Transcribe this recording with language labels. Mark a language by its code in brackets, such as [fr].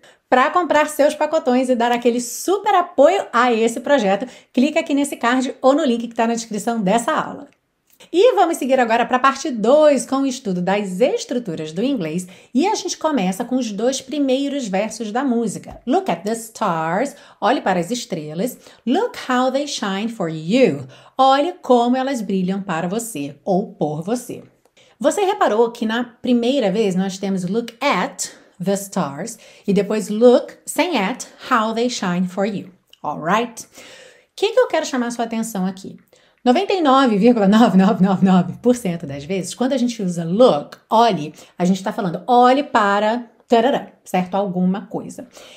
[pt] Para comprar seus pacotões e dar aquele super apoio a esse projeto, clique aqui nesse card ou no link que está na descrição dessa aula. E vamos seguir agora para a parte 2, com o estudo das estruturas do inglês. E a gente começa com os dois primeiros versos da música. [en] Look at the stars. [pt] Olhe para as estrelas. [en] Look how they shine for you. [pt] Olhe como elas brilham para você ou por você. Você reparou que na primeira vez nós temos [en] look at the stars [pt] e depois look, sem at, [en] how they shine for you. [pt] Alright? O que eu quero chamar a sua atenção aqui? 99,9999% das vezes, quando a gente usa look, olhe, a gente está falando olhe para, tarará, certo? Alguma coisa.